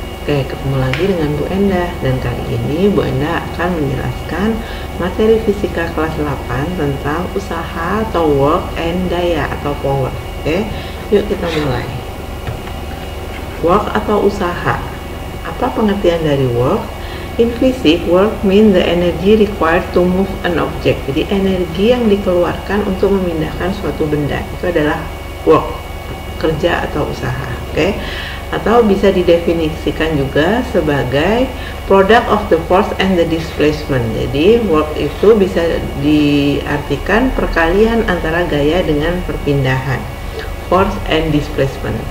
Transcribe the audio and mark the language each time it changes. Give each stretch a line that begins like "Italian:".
Indonesian: Oke, ketemu lagi dengan Bu Endah. Dan kali ini Bu Endah akan menjelaskan materi fisika kelas 8 tentang usaha atau work and daya atau power. Oke, yuk kita mulai. Work atau usaha. Apa pengertian dari work?
English: In physics, work means the energy required to move an object.
Indonesian: Jadi energi yang dikeluarkan untuk memindahkan suatu benda itu adalah work, kerja atau usaha, oke? Atau bisa didefinisikan juga sebagai
English: product of the force and the displacement.
Indonesian: Jadi work itu bisa diartikan perkalian antara gaya dengan perpindahan,
English: force and displacement.